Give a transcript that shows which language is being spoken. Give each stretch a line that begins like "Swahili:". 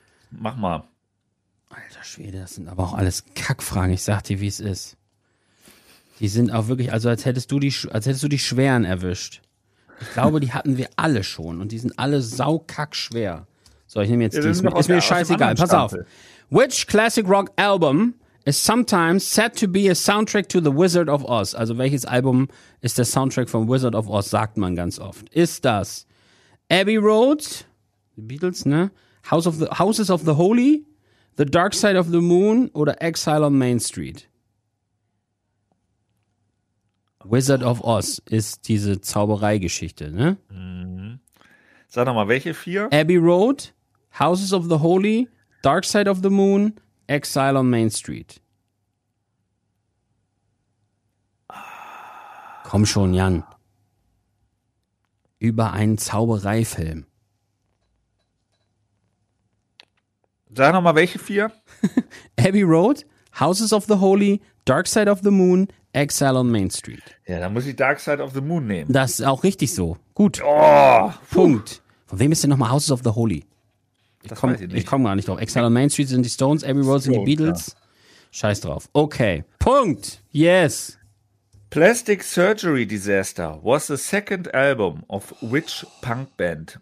German: Mach mal. Alter Schwede, das sind aber auch alles Kackfragen. Ich sag dir, wie es ist. Die sind auch wirklich, also als hättest du die schweren erwischt. Ich glaube, die hatten wir alle schon und die sind alle saukackschwer. So, ich nehme jetzt ja, die. Ist mir scheißegal, pass auf.
English: Which classic rock album is sometimes said to be a soundtrack to The Wizard of Oz?
German: Also welches Album ist der Soundtrack von Wizard of Oz, sagt man ganz oft. Ist das Abbey Road, The Beatles, ne? Houses of the Holy, The Dark Side of the Moon oder Exile on Main Street? Wizard of Oz ist diese Zaubereigeschichte, ne? Mhm. Sag doch mal, welche vier? Abbey Road, Houses of the Holy, Dark Side of the Moon, Exile on Main Street. Komm schon, Jan. Über einen Zaubereifilm. Sag nochmal, welche vier? Abbey Road, Houses of the Holy, Dark Side of the Moon, Exile on Main Street. Ja, dann muss ich Dark Side of the Moon nehmen. Das ist auch richtig so. Gut. Oh, Punkt. Von wem ist denn nochmal Houses of the Holy? Ich komm gar nicht drauf. Exile on Main Street sind die Stones, Abbey Road sind die Beatles. Ja. Scheiß drauf. Okay. Punkt. Yes.
English: Plastic Surgery Disaster was the second album of which punk band?